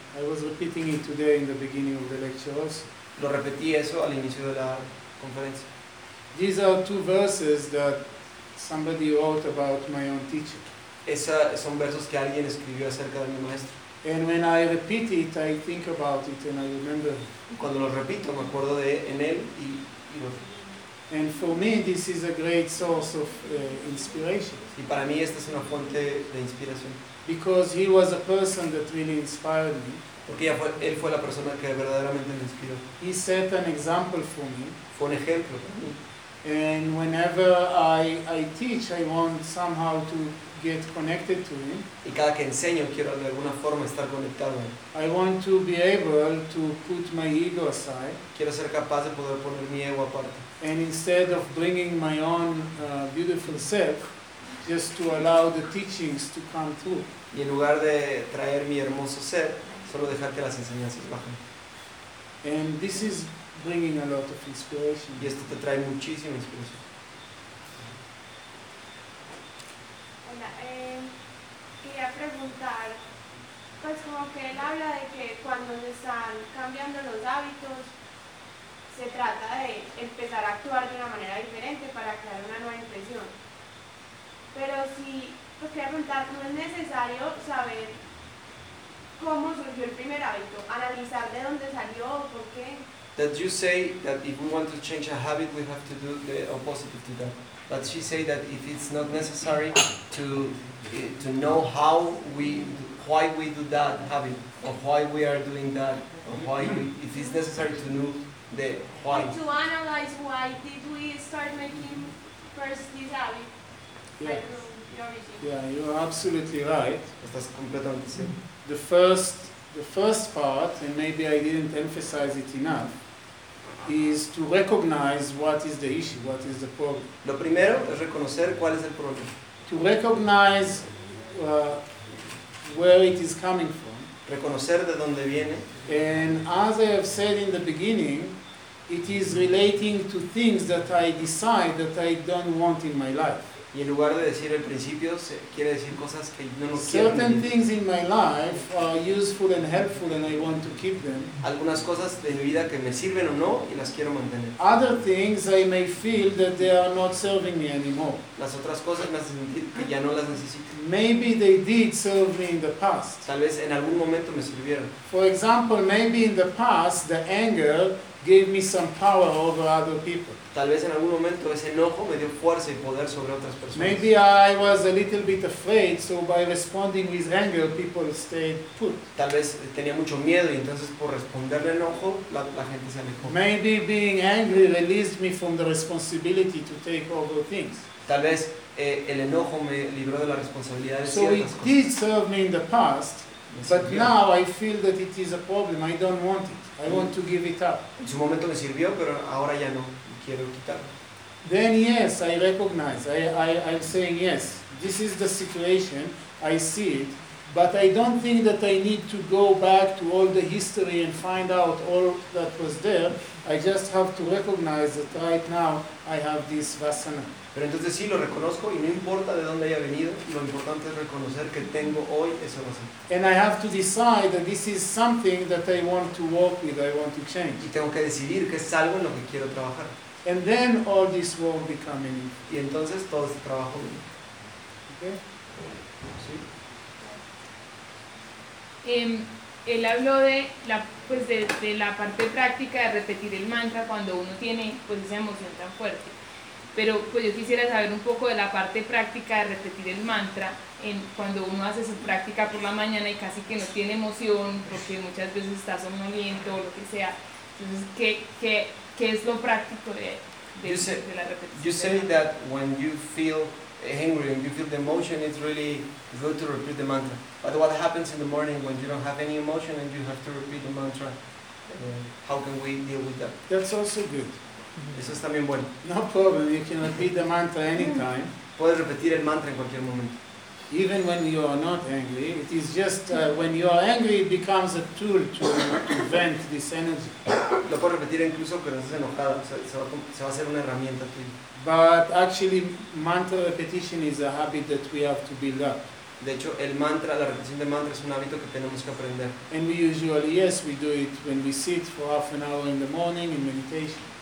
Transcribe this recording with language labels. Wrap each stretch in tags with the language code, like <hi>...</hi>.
<en>I was repeating it today in the beginning of the lecture also.</en> <es>Lo repetí eso al inicio de la conferencia.</es> <en>These are two verses that somebody wrote about my own teacher.</en> <es>Son versos que alguien escribió acerca de mi maestro.</es> <en>And when I repeat it, I think about it and I remember.</en> <es>Cuando lo repito, me acuerdo de en él y lo.</es> <en>And for me, this is a great source of inspiration.</en> <es>Y para mí esta es una fuente de inspiración.</es> <en>Because he was a person that really inspired me.</en> <es>Porque él fue la persona que verdaderamente me inspiró.</es> <en>He set an example for me.</en> <es>Fue un ejemplo para mí.</es> <en>And whenever I teach, I want somehow to get connected to him.</en> <es>Y cada que enseño quiero de alguna forma estar conectado.</es> <en>I want to be able to put my ego aside.</en> <es>Quiero ser capaz de poder poner mi ego aparte.</es> <en>And instead of bringing my own beautiful self, just to allow the teachings to come through.</en> <es>Y en lugar de traer mi hermoso ser, solo dejar que las enseñanzas bajen.</es> <en>And this is bringing a lot of inspiration.</en> <es>Y esto te trae muchísima inspiración. Preguntar, pues como que él habla de que cuando se están cambiando los hábitos se trata de empezar a actuar de una manera diferente para crear una nueva impresión, pero si, pues quería preguntar, ¿no es necesario saber cómo surgió el primer hábito, analizar de dónde salió o por qué?</es> <en>That you say that if we want to change a habit we have to do the opposite to that. But she said that if it's not necessary to know why we do that habit, or why we are doing that, or why if it's necessary to know the why. To analyze why did we start making first this habit. You're absolutely right.</en> <es>Estás completamente cierto.</es> <en>The first part, and maybe I didn't emphasize it enough, is to recognize what is the issue, what is the problem.</en> <es>Lo primero es reconocer cuál es el problema.</es> <en>To recognize where it is coming from.</en> <es>Reconocer de dónde viene.</es> <en>And as I have said in the beginning, it is relating to things that I decide that I don't want in my life.</en> <es>Y en lugar de decir el principio, se quiere decir cosas que no quiero.</es> <en>Certain things in my life are useful and helpful, and I want to keep them.</en> <es>Algunas cosas de mi vida que me sirven o no, y las quiero mantener.</es> <en>Other things I may feel that they are not serving me anymore.</en> <es>Las otras cosas me hacen sentir que ya no las necesito.</es> <en>Maybe they did serve me in the past.</en> <es>Tal vez en algún momento me sirvieron.</es> <en>For example, maybe in the past the anger gave me some power over other people.</en> <es>Tal vez en algún momento ese enojo me dio fuerza y poder sobre otras personas.</es> <en>Maybe I was a little bit afraid, so by responding with anger, people stayed put.</en> <es>Tal vez tenía mucho miedo y entonces por responderle enojo, la gente se alejó.</es> <en>Maybe being angry released me from the responsibility to take over things.</en> <es>Tal vez el enojo me libró de la responsabilidad de ciertas cosas.</es> <en>So it did serve me in the past. But now I feel that it is a problem. I don't want it. I want to give it up.</en> <es>En su momento me sirvió, pero ahora ya no quiero quitarlo.</es> <en>Then yes, I recognize. I'm saying yes. This is the situation. I see it. But I don't think that I need to go back to all the history and find out all that was there. I just have to recognize that right now I have this vasana.</en> <es>Pero entonces sí lo reconozco y no importa de dónde haya venido, lo importante es reconocer que tengo hoy esa razón.</es> <en>And I have to decide that this is something that I want to work with, I want to change.</en> <es>Y tengo que decidir que es algo en lo que quiero trabajar.</es> <en>And then all this work becoming.</en> <es>Y entonces todo este trabajo viene.</es> <en>Okay.</en> <es>Sí. Él habló de la parte práctica de repetir el mantra cuando uno tiene pues esa emoción tan fuerte. Pero pues yo quisiera saber un poco de la parte práctica de repetir el mantra en cuando uno hace su práctica por la mañana y casi que no tiene emoción porque muchas veces está somnoliento o lo que sea. Entonces, ¿qué es lo práctico de la repetición?</es> <en>You say that when you feel angry and you feel the emotion, it's really good to repeat the mantra. But what happens in the morning when you don't have any emotion and you have to repeat the mantra? How can we deal with that? That's also good.</en> <es>Eso es también bueno.</es> <en>No problem, you can repeat the mantra anytime.</en> <es>Puedes repetir el mantra en cualquier momento.</es> <en>Even when you are not angry, it is just when you are angry, it becomes a tool to prevent this energy.</en> <es>Lo puedes repetir incluso cuando estés enojado, se va a hacer una herramienta tuya.</es> <en>But actually, mantra repetition is a habit that we have to build up.</en> <es>De hecho, el mantra, la repetición de mantra es un hábito que tenemos que aprender.</es> <en>And we usually, yes, we do it when we sit for half an hour in the morning in meditation.</en>